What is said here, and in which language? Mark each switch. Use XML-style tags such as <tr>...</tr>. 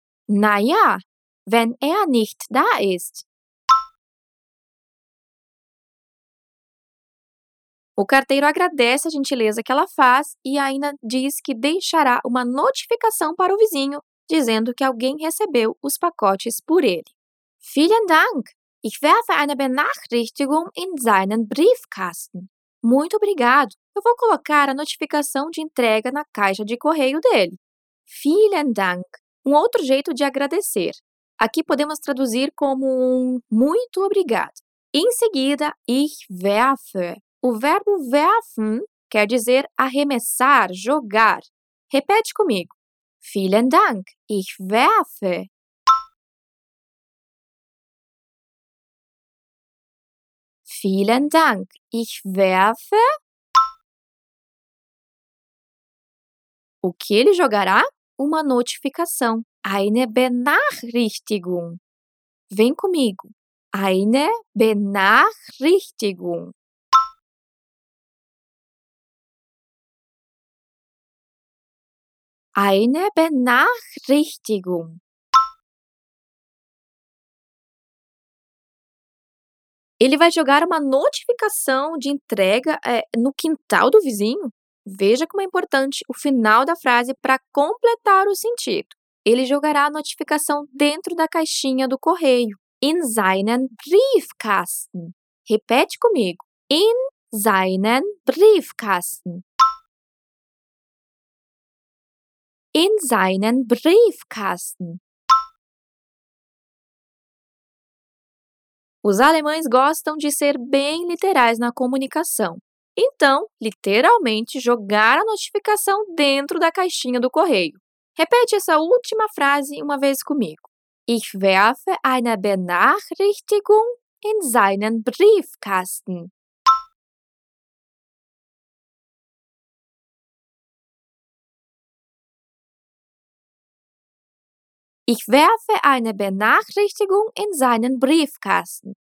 <de>Na ja, wenn nicht da ist.</de> <pt>O carteiro agradece a gentileza que ela faz e ainda diz que deixará uma notificação para o vizinho dizendo que alguém recebeu os pacotes por ele.</pt> <de>Vielen Dank! Ich werfe eine Benachrichtigung in seinen Briefkasten.</de> <pt>Muito obrigado! Eu vou colocar a notificação de entrega na caixa de correio dele.</pt> <de>Vielen Dank!</de> <pt>Um outro jeito de agradecer. Aqui podemos traduzir como um muito obrigado. Em seguida,</pt> <de>ich werfe.</de> <pt>O verbo werfen quer dizer arremessar, jogar. Repete comigo.</pt> <de>Vielen Dank. Ich werfe. Vielen Dank. Ich werfe.</de> <pt>O que ele jogará? Uma notificação.</pt> <de>Eine Benachrichtigung.</de> <pt>Vem comigo.</pt> <de>Eine Benachrichtigung. Eine Benachrichtigung.</de> <pt>Ele vai jogar uma notificação de entrega no quintal do vizinho. Veja como é importante o final da frase para completar o sentido. Ele jogará a notificação dentro da caixinha do correio.</pt> <de>In seinen Briefkasten.</de> <pt>Repete comigo.</pt> <de>In seinen Briefkasten. In seinen Briefkasten.</de> <pt>Os alemães gostam de ser bem literais na comunicação. Então, literalmente, jogar a notificação dentro da caixinha do correio. Repete essa última frase uma vez comigo.</pt> <de>Ich werfe eine Benachrichtigung in seinen Briefkasten. Ich werfe eine Benachrichtigung in seinen Briefkasten.</de>